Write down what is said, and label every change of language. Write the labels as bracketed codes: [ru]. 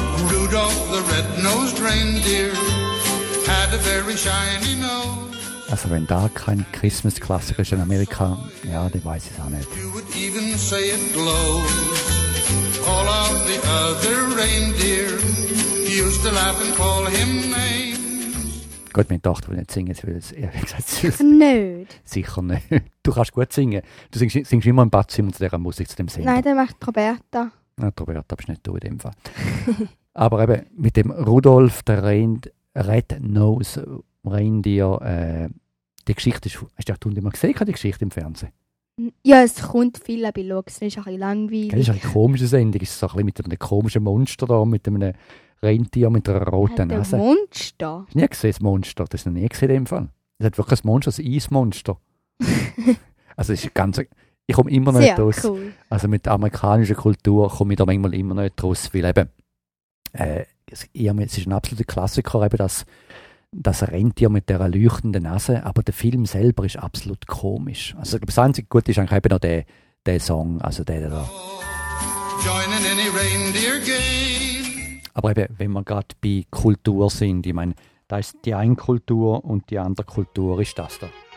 [en] Rudolph the Red-Nosed Reindeer had a very shiny nose. [de] Also wenn da kein Christmas-Klassiker ist in Amerika, ja, dann weiß ich es auch nicht. [en] You would even say it glows. All of the other reindeer used to laugh and call him names. [de] Gut, meine Tochter will nicht singen, sie will es ehrlich gesagt sicher nicht. Sicher nicht. Du kannst gut singen. Du singst immer im Badzimmer zu dieser Musik, zu dem Singen. Nein, dann macht Roberta. Na, Roberta bist nicht du in dem Fall. Aber eben mit dem Rudolf, der Red-Nose-Reindeer, die Geschichte ist. Hast du die mal gesehen, die Geschichte im Fernsehen? Ja, es kommt viel, aber ich schaue, es ist ein langweilig. Das ist eine komische Sendung, ist so ein mit einem komischen Monster da, mit einem. Rentier mit einer roten Nase. Ein Monster? Ich habe nie gesehen, das Monster. Das ist noch nie gesehen in dem Fall. Es hat wirklich ein Monster, ein Eismonster. Also es ist ganz... Ich komme immer noch nicht raus. Cool. Also mit der amerikanischen Kultur komme ich da manchmal immer noch nicht raus, weil eben... es ist ein absoluter Klassiker, eben das Rentier mit dieser leuchtenden Nase. Aber der Film selber ist absolut komisch. Also das einzige Gute ist eigentlich eben noch der Song. Also der da. [en] Join in any reindeer game. [de] Aber eben, wenn wir gerade bei Kultur sind, ich meine, da ist die eine Kultur und die andere Kultur ist das da.